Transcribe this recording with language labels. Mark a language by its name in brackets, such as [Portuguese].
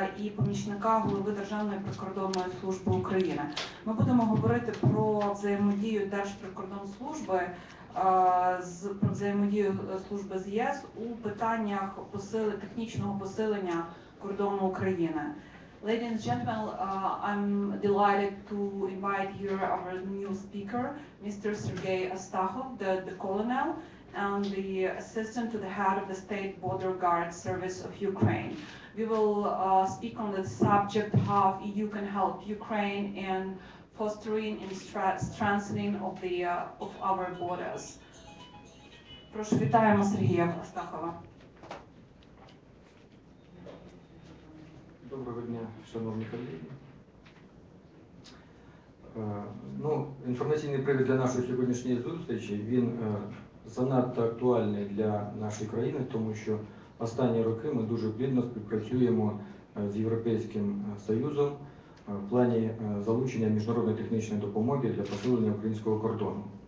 [Ukrainian] і помічника голови Державної прикордонної служби України. Ми будемо говорити про взаємодію Держприкордонслужби з взаємодію служби з ЄС у питаннях технічного посилення кордону України. [English] Ladies and gentlemen, I'm delighted to invite here our new speaker, Mr. Sergei Astahov, the colonel and the assistant to the head of the State Border Guard Service of Ukraine. We will speak on the subject how EU can help Ukraine in fostering and strengthening of the of our borders. [Ukrainian] Прошу, вітаємо Сергія Астахова. Доброго дня, шановні колеги. Ну, інформаційний привід для нашої сьогоднішньої зустрічі, він занадто актуальний для нашої країни, тому що останні роки ми дуже плідно співпрацюємо з Європейським Союзом в плані залучення міжнародної технічної допомоги для посилення українського кордону.